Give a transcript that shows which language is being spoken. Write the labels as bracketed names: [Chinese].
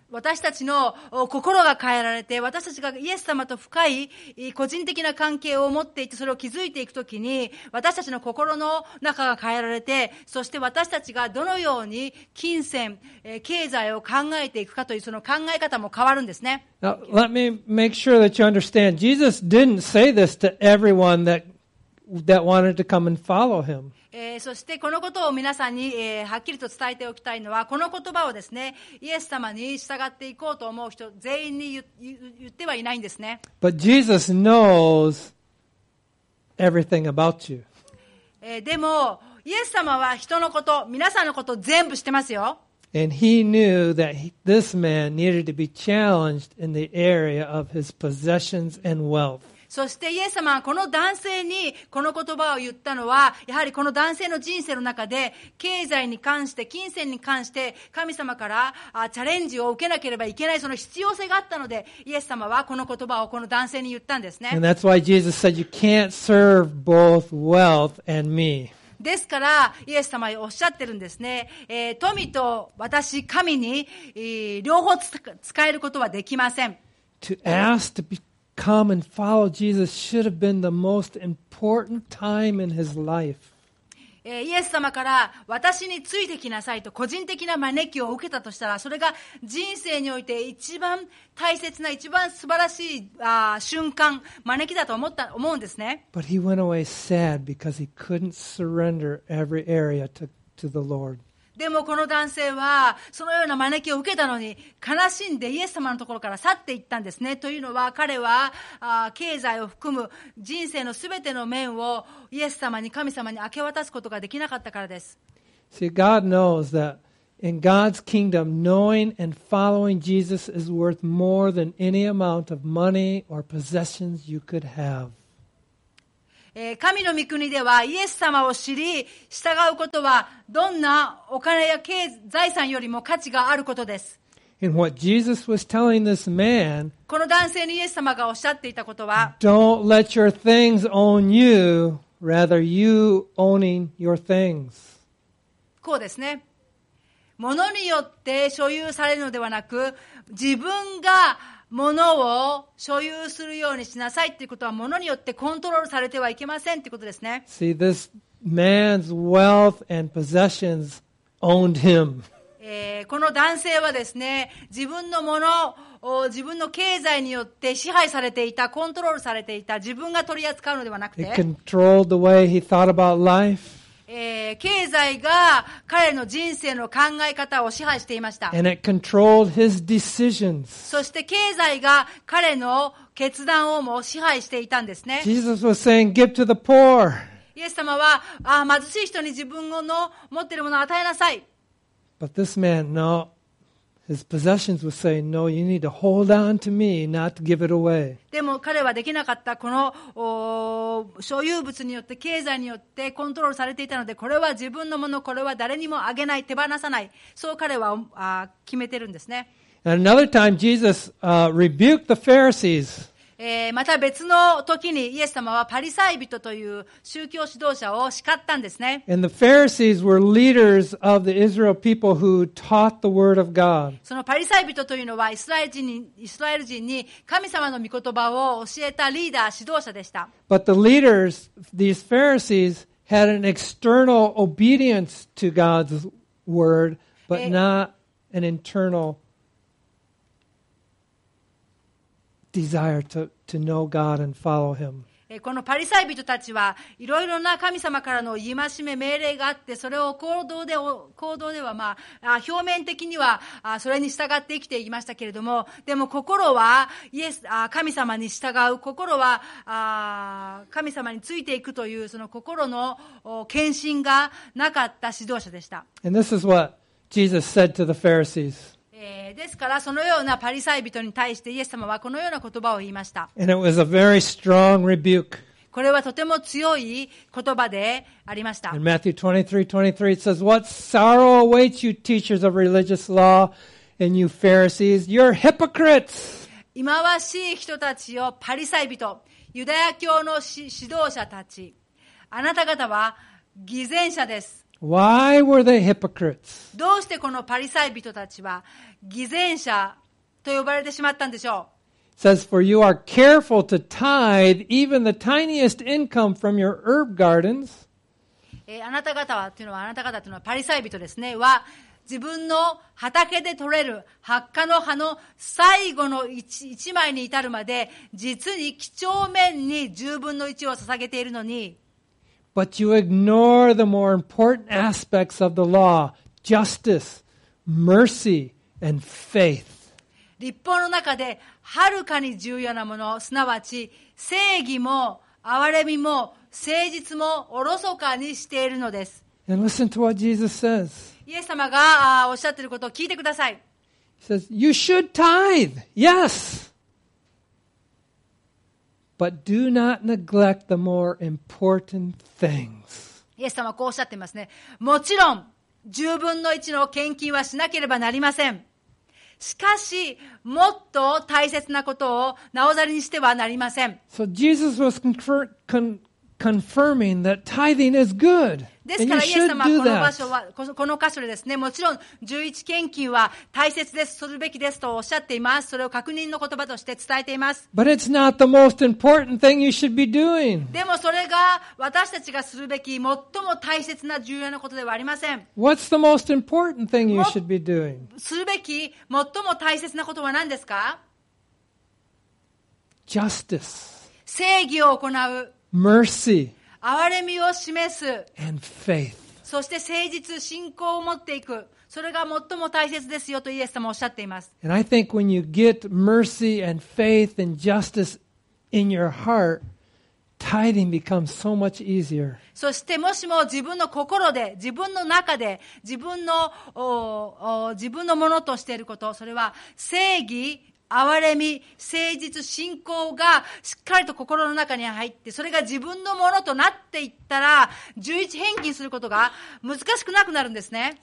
[Japanese] 私たちの心が変えられて、私たちがイエス様と深い個人的な関係を持っていて、それを築いていくときに、私たちの心の中が変えられて、そして私たちがどのように金銭、経済を考えていくかというその考え方も変わるんですね。 [English] Now, let me make sure that you understand. Jesus didn't say this to everyone that wanted to come and follow him. [Japanese] そしてこのことを皆さんに、はっきりと伝えておきたいのは、この言葉をですね、イエス様に従っていこうと思う人全員に言ってはいないんですね。 [English] But Jesus knows everything about you. [Japanese] でもイエス様は人のこと、皆さんのこと全部知ってますよ。 [English] And he knew that this man needed to be challenged in the area of his possessions and wealth. [Japanese] そしてイエス様はこの男性にこの言葉を言ったのは、やはりこの男性の人生の中で経済に関して金銭に関して神様からチャレンジを受けなければいけないその必要性があったので、イエス様はこの言葉をこの男性に言ったんですね。 [English] And that's why Jesus said you can't serve both wealth and me. [Japanese] ですからイエス様はおっしゃってるんですね、富と私、神に、両方使えることはできません。 [English] To ask to beCome and follow Jesus should have been the most important time in his life. [Japanese] イエス様から私についてきなさいと個人的な招きを受けたとしたら、それが人生において一番大切な一番素晴らしい瞬間、招きだと思うんですね。 [English] But he went away sad because he couldn't surrender every area to the Lord. [Japanese] でもこの男性はそのような招きを受けたのに悲しんでイエス様のところから去っていったんですね。というのは彼は経済を含む人生のすべての面をイエス様に、神様に明け渡すことができなかったからです。 [English] See, God knows that in God's kingdom, knowing and following Jesus is worth more than any amount of money or possessions you could have. [Japanese] 神の御国ではイエス様を知り従うことはどんなお金や財産よりも価値があることです。 [English] And what Jesus was telling this man, [Japanese] この男性にイエス様がおっしゃっていたことは、 [English] Don't let your things own you, rather you owning your things. [Japanese] こうですね、物によって所有されるのではなく、自分が物を所有するようにしなさいということは、物によってコントロールされてはいけませんということですね。 [English] See, this man's wealth and possessions owned him. [Japanese] この男性はですね、自分の物を自分の経済によって支配されていた、コントロールされていた、自分が取り扱うのではなくて、 [English] It controlled the way he thought about life. [Japanese] 経済が彼の人生の考え方を支配していました。 [English] And it controlled his decisions. [Japanese] そして経済が彼の決断をも支配していたんですね。 [English] Jesus was saying, "Give to the poor." [Japanese] イエス様は、ああ、貧しい人に自分の持っているものを与えなさい。 [English] But this man, no, his possessions were saying, "No, you need to hold on to me, not to give it away." [Japanese] でも彼はできなかった。この所有物によって経済によってコントロールされていたので、これは自分のもの、これは誰にもあげない、手放さない。そう彼は決めてるんですね。 [English] And another time, Jesus rebuked the Pharisees. [Japanese] また別の時にイエス様はパリサイ人という宗教指導者を叱ったんですね。 [English] And the Pharisees were leaders of the Israel people who taught the word of God. [Japanese] そのパリサイ人というのはイスラエル人に神様の御言葉を教えたリーダー指導者でした。 [English] But the leaders, these Pharisees, had an external obedience to God's word, but not an internal desire to know God and follow Him. [Japanese] このパリサイ人たちはいろいろな神様からの戒め命令があって、それを行動では、まあ、表面的にはそれに従って生きていましたけれども、でも心はイエス神様に従う、心は神様についていくという、その心の献身がなかった指導者でした。 [English] And this is what Jesus said to the Pharisees. [Japanese] ですからそのようなパリサイ人に対してイエス様はこのような言葉を言いました。 [English] And it was a very strong rebuke. [Japanese] これはとても強い言葉でありました。 [English] In Matthew 23:23 it says, What sorrow awaits you teachers of religious law and you Pharisees, you're hypocrites! [Japanese] 忌まわしい人たちよ、パリサイ人、ユダヤ教の指導者たち、あなた方は偽善者です。 [English] Why were they hypocrites? [Japanese] どうしてこのパリサイ人たちは偽善者と呼ばれてしまったんでしょう。 [English] It says, For you are careful to tithe even the tiniest income from your herb gardens. [Japanese] あなた方はというのは、あなた方というのはパリサイ人ですね、は自分の畑で取れる八花の葉の最後の 一枚に至るまで、実に几帳面に十分の一を捧げているのに。 [English] But you ignore the more important aspects of the law, justice, mercy, and faith. [Japanese] 律法の中ではるかに重要なもの、すなわち正義も憐れみも誠実もおろそかにしているのです。 [English] And listen to what Jesus says. [Japanese] イエス様がおっしゃっていることを聞いてください。 [English] He says, You should tithe, yes. But do not neglect the more important things. [Japanese] イエス様はこうおっしゃってますね。もちろん十分の一の献金はしなければなりません。しかしもっと大切なことをなおざりにしてはなりません。 [English] So Jesus was confirming that tithing is good. [Japanese] ですからイエス様はこの場所は、この箇所でですね、もちろん十一献金は大切です、するべきですとおっしゃっています。それを確認の言葉として伝えています。 [English] But it's not the most important thing you should be doing. [Japanese] でもそれが私たちがするべき最も大切な重要なことではありません。 [English] What's the most important thing you should be doing? [Japanese] するべき最も大切なことは何ですか？ [English] Justice. [Japanese] 正義を行う。 [English] Mercy. [Japanese] 憐れみを示す。 [English] And faith. [Japanese] そして誠実、信仰を持っていく。それが最も大切ですよとイエス様はおっしゃっています。 [English] And I think when you get mercy and faith and justice in your heart, tithing becomes so much easier. [Japanese] そしてもしも自分の心で、自分の中で、自分のものとしていること、それは正義、憐れみ、誠実、信仰がしっかりと心の中に入って、それが自分のものとなっていったら、11返金することが難しくなくなるんですね。